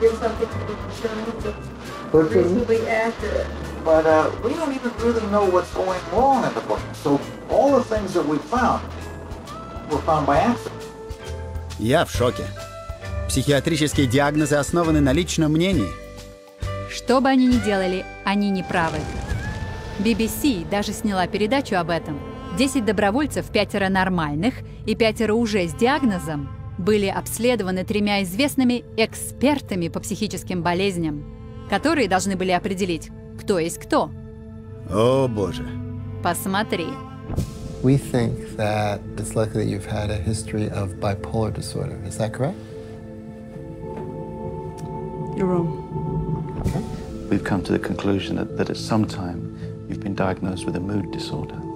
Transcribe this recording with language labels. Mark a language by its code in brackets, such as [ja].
[en] I don't think much in terms of diagnosis. I don't know reasonably accurate. But we don't even really know what's going wrong in the book. So all the things that we found were found by accident. [ru] Я в шоке. Психиатрические диагнозы основаны на личном мнении. Что бы они ни делали, они не правы. BBC даже сняла передачу об этом. 10 добровольцев, 5 нормальных и 5 уже с диагнозом, были обследованы 3 известными экспертами по психическим болезням, которые должны были определить, кто есть кто. О, Боже. Посмотри. [en] We think that it's likely that you've had a history of bipolar disorder. Is that correct? You're wrong. Okay. We've come to the conclusion that at some time you've been diagnosed with a mood disorder.